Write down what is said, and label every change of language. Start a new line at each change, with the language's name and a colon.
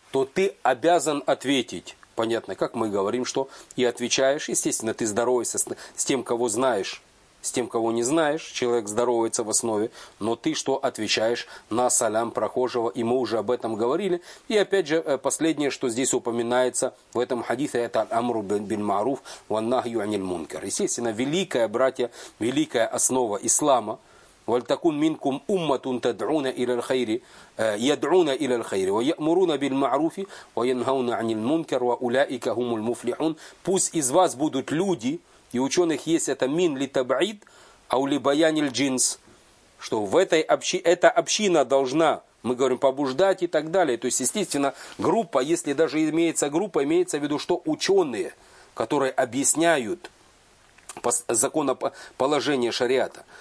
Russian: то ты обязан ответить. Понятно, как мы говорим, что и отвечаешь, естественно, ты здороваешься с тем, кого знаешь, с тем, кого не знаешь, человек здоровается в основе, но ты что отвечаешь на салям прохожего, и мы уже об этом говорили. И опять же, последнее, что здесь упоминается в этом хадисе, это
Arabic: «Амру бин Маруф ваннахью аниль мункер».
Russian: Естественно, великая, братья, великая основа ислама,
Arabic: وَلْتَكُنْ مِنْكُمْ أُمَّةٌ تَدْعُونَ إِلَى الْخَيْرِ يَدْعُونَ إِلَى الْخَيْرِ وَيَأْمُرُونَ بِالْمَعْرُوفِ وَيَنْهَوْنَ عَنِ الْمُنْكَرِ وَأُولَئِكَ هُمُ الْمُفْلِحُونَ.
Russian: Пусть из вас будут люди, и ученых есть это
Arabic: мин ли табаид, а у ли баян иль джинс,
Russian: что в этой общине, эта община должна, мы говорим, побуждать и так далее. То есть, естественно, группа, если даже имеется группа, имеется в виду, что ученые, которые объясняют законоположение шариата.